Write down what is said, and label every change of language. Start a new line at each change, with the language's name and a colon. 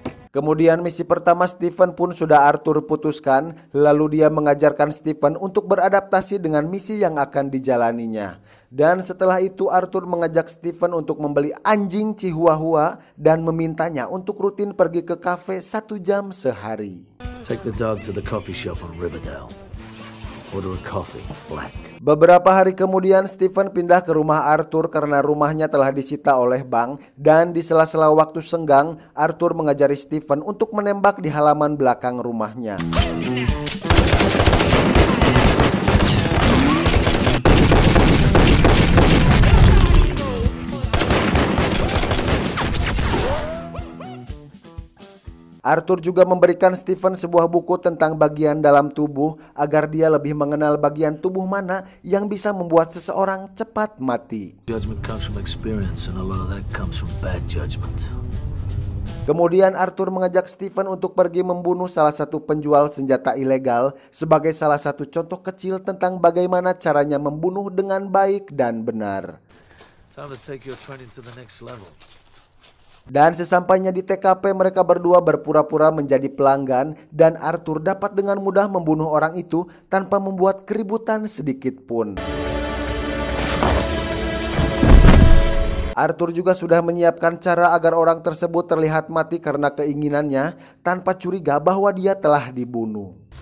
Indonesian: Kemudian misi pertama Stephen pun sudah Arthur putuskan, lalu dia mengajarkan Stephen untuk beradaptasi dengan misi yang akan dijalaninya. Dan setelah itu Arthur mengajak Stephen untuk membeli anjing Chihuahua dan memintanya untuk rutin pergi ke kafe 1 jam sehari.
English: Take the dog to the coffee shop on Riverdale. Order a coffee black.
Indonesian: Beberapa hari kemudian Stephen pindah ke rumah Arthur karena rumahnya telah disita oleh bank. Dan di sela-sela waktu senggang, Arthur mengajari Stephen untuk menembak di halaman belakang rumahnya. Arthur juga memberikan Stephen sebuah buku tentang bagian dalam tubuh agar dia lebih mengenal bagian tubuh mana yang bisa membuat seseorang cepat mati.
English: Judgment comes from experience and a lot of that comes from bad judgment.
Indonesian: Kemudian Arthur mengajak Stephen untuk pergi membunuh salah satu penjual senjata ilegal sebagai salah satu contoh kecil tentang bagaimana caranya membunuh dengan baik dan benar.
English: Time to take your training to the next level.
Indonesian: Dan sesampainya di TKP mereka berdua berpura-pura menjadi pelanggan dan Arthur dapat dengan mudah membunuh orang itu tanpa membuat keributan sedikit pun. Arthur juga sudah menyiapkan cara agar orang tersebut terlihat mati karena keinginannya tanpa curiga bahwa dia telah dibunuh.